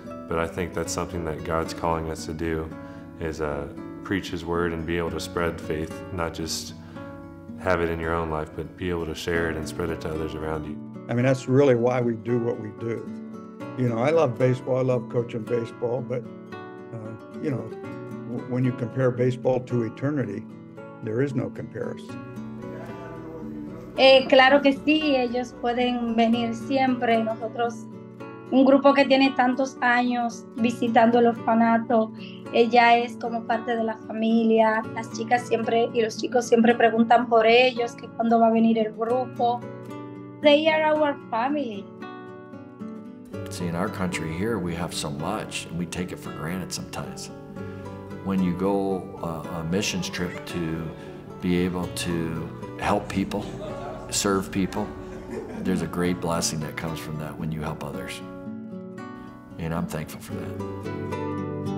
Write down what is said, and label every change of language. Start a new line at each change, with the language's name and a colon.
English: But I think that's something that God's calling us to do, is preach His word and be able to spread faith, not just have it in your own life, but be able to share it and spread it to others around you. I mean, that's really why we do what we do. You know, I love baseball, I love coaching baseball, but, you know, when you compare baseball to eternity, there is no comparison.
Spanish: Claro que sí, ellos pueden venir siempre. Nosotros, un grupo que tiene tantos años visitando el orfanato, ella es como parte de la familia. Las chicas siempre y los chicos siempre preguntan por ellos, que cuándo va a venir el grupo.
English: They are our family. See, in our country here, we have so much, and we take it for granted sometimes. When you go a missions trip to be able to help people, serve people, there's a great blessing that comes from that when you help others. And I'm thankful for that.